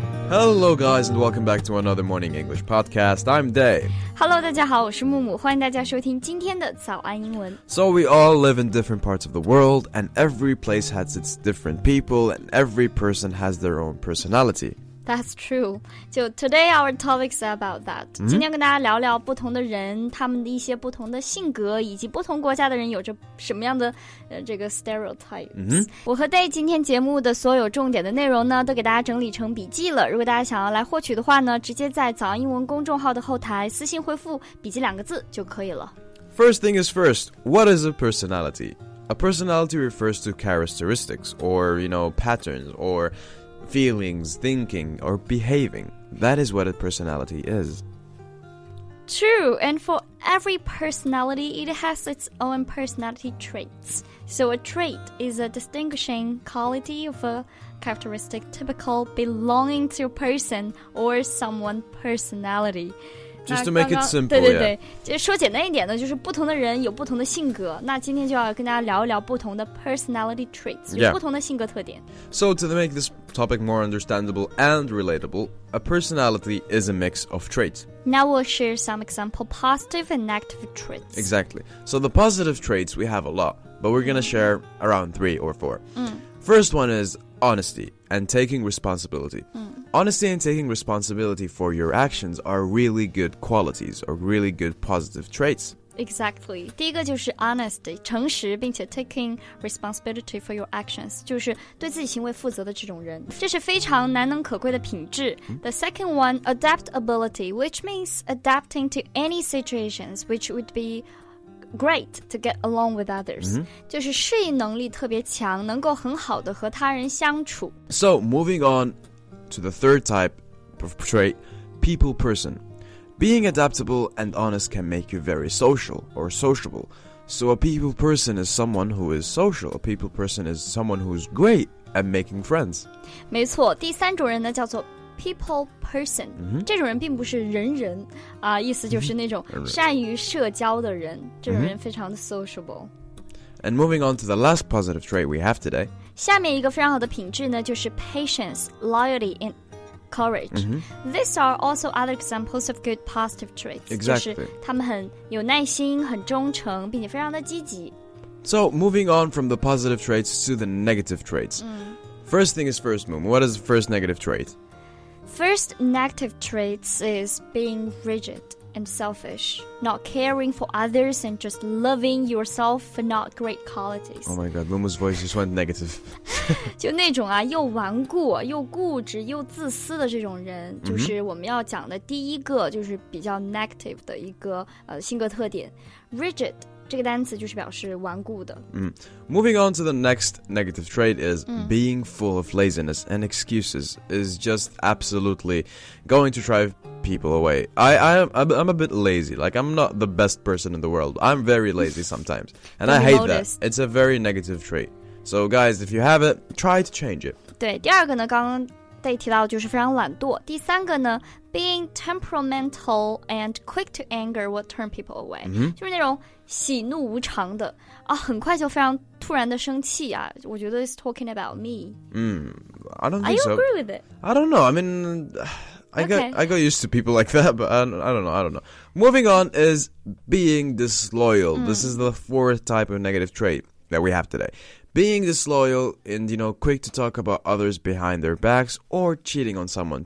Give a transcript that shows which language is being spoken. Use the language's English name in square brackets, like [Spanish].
[English] Hello, guys, and welcome back to another Morning English podcast. I'm Day. Hello, [Chinese] 大家好，我是木木，欢迎大家收听今天的早安英文。 [English] So we all live in different parts of the world, and every place has its different people, and every person has their own personality. That's true. So today our topic is about that.、Mm-hmm. [Chinese] 今天跟大家聊聊不同的人，他们的一些不同的性格，以及不同国家的人有着什么样的、这个 stereotypes.、 Mm-hmm. 我和 Day 今天节目的所有重点的内容呢，都给大家整理成笔记了。如果大家想要来获取的话呢，直接在早安英文公众号的后台私信回复笔记两个字就可以了。 [English] First thing is first, what is a personality? A personality refers to characteristics or, you know, patterns orfeelings, thinking, or behaving. That is what a personality is. True, and for every personality, it has its own personality traits. So a trait is a distinguishing quality of a characteristic typical belonging to a person or someone's personality. Just to make it simple, [Chinese] 对对对 说简单一点呢，就是不同的人有不同的性格。那今天就要跟大家聊一聊不同的 personality traits, 有不同的性格特点。 [English] So to make this topic more understandable and relatable, a personality is a mix of traits. Now we'll share some example positive and negative traits. Exactly. So the positive traits we have a lot, but we're going to share around three or four.、 Mm. First one is honesty and taking responsibility.、 Mm. Honesty and taking responsibility for your actions are really good qualities or really good positive traits. Exactly. [Chinese] 第一个就是 honesty, 诚实并且 [English] taking responsibility for your actions, [Chinese] 就是对自己行为负责的这种人。这是非常难能可贵的品质。 [English] The second one, adaptability, which means adapting to any situations, which would be great to get along with others.、 Mm-hmm. [Chinese] 就是适应能力特别强，能够很好的和他人相处。 [English] So, moving on to the third type of trait, people person. Being adaptable and honest can make you very social or sociable. So a people person is someone who is social. A people person is someone who is great at making friends. [Chinese] 没错，第三种人呢叫做 people person.、 Mm-hmm. 这种人并不是人人、意思就是那种善于社交的人。这种人非常的 sociable.、 Mm-hmm. [English] And moving on to the last positive trait we have today. [Chinese] 下面一个非常好的品质呢就是 [English] patience, loyalty, andcourage. Mm-hmm. These are also other examples of good positive traits. Exactly. [Chinese] 就是他们很有耐心，很忠诚，并且非常的积极。 [English] So, moving on from the positive traits to the negative traits.、 Mm. First thing is first, Moom. What is the first negative trait? First negative traits is being rigid and selfish, not caring for others and just loving yourself for not great qualities. Oh my god, Moom's voice just went negative. [Chinese] 就那种啊又顽固又固执又自私的这种人、mm-hmm. 就是我们要讲的第一个就是比较 negative 的一个、性格特点 Rigid 这个单词就是表示顽固的、 [English] mm. Moving on to the next negative trait is、mm. being full of laziness and excuses is just absolutely going to drive people away. I'm a bit lazy, like I'm not the best person in the world. I'm very lazy sometimes and I hate、 noticed. That. It's a very negative traitSo guys, if you have it, try to change it. [Chinese] 对，第二个呢，刚刚Day提到就是非常懒惰。第三个呢， [English] being temperamental and quick to anger will turn people away.、 Mm-hmm. [Chinese] 就是那种喜怒无常的啊，很快就非常突然的生气啊。我觉得 [English] it's talking about me. I don't think so. Are you agree with it? I don't know. I mean, I got used to people like that, but I don't know. Moving on is being disloyal.、 Mm. This is the fourth type of negative trait that we have today. Being disloyal and, you know, quick to talk about others behind their backs or cheating on someone.